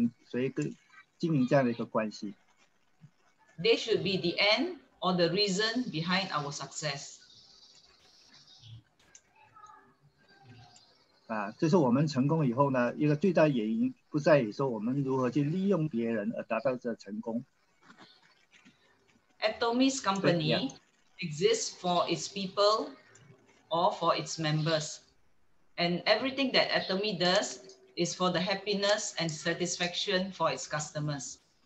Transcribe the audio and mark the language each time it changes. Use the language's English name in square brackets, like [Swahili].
[Chinese] 而不是要把我们周边的人呢当做一些工具，当做一些不好的手段来我们来那个经营，所以跟经营这样的一个关系。 [English] They should be the end or the reason behind our success. [Chinese] 这是我们成功以后呢一个最大原因，不在于说我们如何去利用别人而达到这成功。 [English] Atomy's company. Yeah. Exists for its people or for its members. And everything that Atomy does is for the happiness and satisfaction for its customers.